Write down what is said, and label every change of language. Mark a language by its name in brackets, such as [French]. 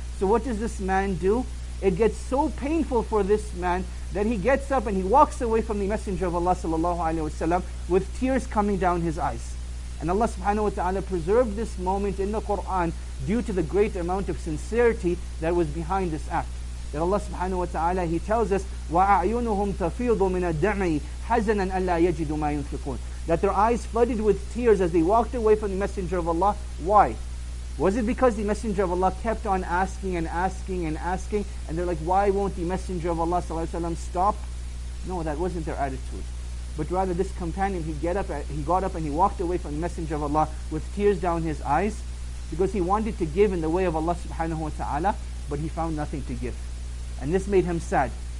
[English] So what does this man do? It gets so painful for this man that he gets up and he walks away from the Messenger of Allah sallallahu alaihi wasallam with tears coming down his eyes. And Allah subhanahu wa ta'ala preserved this moment in the Qur'an due to the great amount of sincerity that was behind this act. That Allah subhanahu wa ta'ala, he tells us, [Arabic] وَأَعْيُنُهُمْ تَفِيضُ مِنَ الدَّعْمِ حَزَنًا أَلَّا يَجِدُ مَا يُنْفِقُونَ. [English] That their eyes flooded with tears as they walked away from the Messenger of Allah. Why? Was it because the Messenger of Allah kept on asking and asking and asking, and they're like, why won't the Messenger of Allah sallallahu alaihi wasallam stop? No, that wasn't their attitude. But rather this companion, he got up and he walked away from the Messenger of Allah with tears down his eyes, because he wanted to give in the way of Allah subhanahu wa ta'ala, but he found nothing to give. And this made him sad.